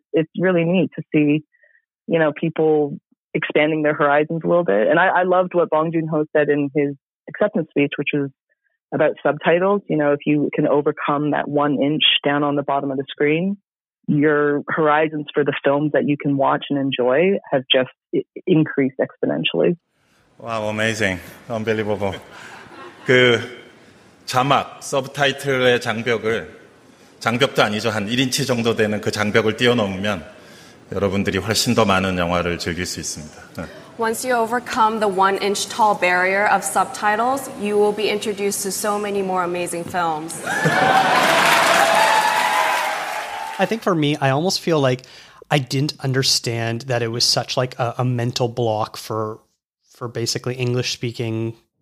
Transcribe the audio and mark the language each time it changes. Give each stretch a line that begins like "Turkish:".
English: It's really neat to see, you know, people expanding their horizons a little bit. And I loved what Bong Joon-ho said in his acceptance speech, which is about subtitles. You know, if you can overcome that 1 inch down on the bottom of the screen, your horizons for the films that you can watch and enjoy have just increased exponentially. Wow, amazing. Unbelievable.
Korean: 그 자막, 서브타이틀의 장벽을, 장벽도 아니죠. 한 1인치 정도 되는 그 장벽을 뛰어넘으면 여러분들이 훨씬 더 많은 영화를 즐길 수 있습니다.
English: Once you overcome the 1-inch tall barrier of subtitles, you will be introduced to so many more amazing films. I think for me, I almost feel like I didn't understand that it was such, like, a mental block for basically English-speaking